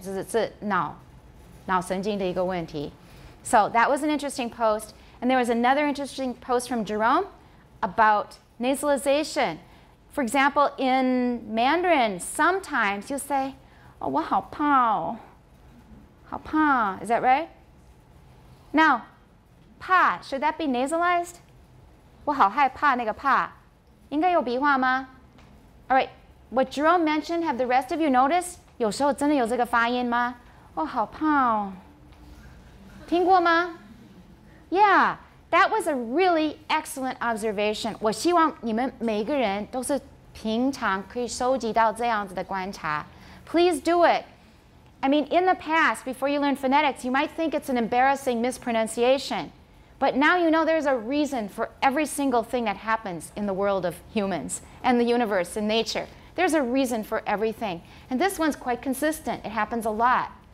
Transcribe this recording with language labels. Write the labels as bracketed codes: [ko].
[zh] 就是脑神经的一个问题。 [en] So that was an interesting post. And there was another interesting post from Jerome about nasalization. For example, in Mandarin, sometimes you say, oh, [zh] 我好怕哦。好怕。 [en] Is that right? Now, 怕, should that be nasalized? [zh] 我好害怕那个怕。应该有鼻化吗? [en] All right, what Jerome mentioned, have the rest of you noticed? [zh] 有时候真的有这个发音吗? [en] Oh, [zh] 好怕哦。听过吗? [en] Yeah, that was a really excellent observation. [zh] 我希望你们每个人都是平常可以收集到这样子的观察。 [en] Please do it. I mean, in the past, before you learn phonetics, you might think it's an embarrassing mispronunciation. But now you know there's a reason for every single thing that happens in the world of humans and the universe and nature. There's a reason for everything. And this one's quite consistent. It happens a lot.